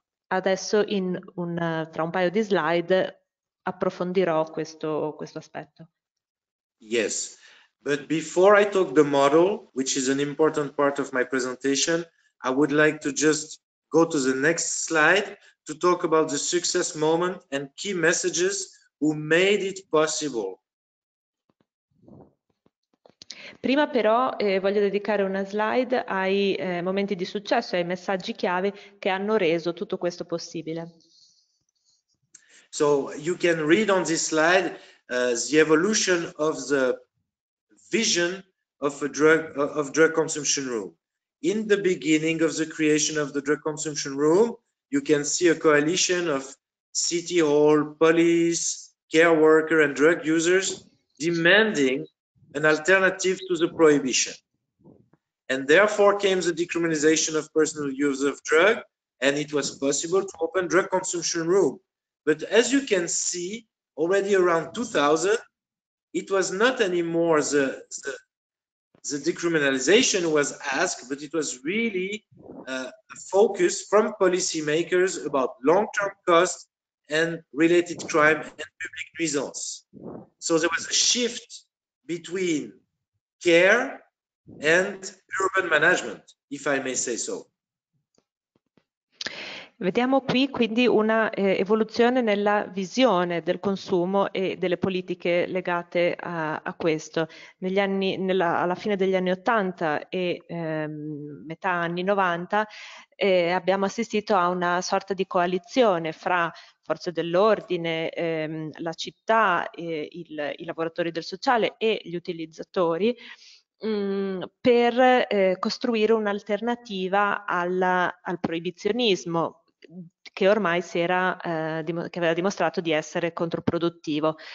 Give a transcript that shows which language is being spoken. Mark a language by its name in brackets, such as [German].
[Italian] Adesso tra un paio di slide approfondirò questo aspetto. [English] Yes, but before I talk the model, which is an important part of my presentation, I would like to just go to the next slide to talk about the success moment and key messages who made it possible. [Italian] Prima però voglio dedicare una slide ai momenti di successo e ai messaggi chiave che hanno reso tutto questo possibile. [English] So you can read on this slide the evolution of the vision of a drug of drug consumption room. In the beginning of the creation of the drug consumption room, you can see a coalition of city hall, police, care worker, and drug users demanding an alternative to the prohibition. And therefore came the decriminalization of personal use of drug, and it was possible to open drug consumption room. But as you can see, already around 2000, it was not anymore the decriminalization was asked, but it was really a focus from policymakers about long-term costs and related crime and public nuisance. So there was a shift between care and urban management, if I may say so. [Italian] Vediamo qui quindi una evoluzione nella visione del consumo e delle politiche legate a questo. Alla fine degli anni 80 e metà anni 90 abbiamo assistito a una sorta di coalizione fra forze dell'ordine, la città, i lavoratori del sociale e gli utilizzatori, per costruire un'alternativa al proibizionismo, che ormai che aveva dimostrato di essere controproduttivo.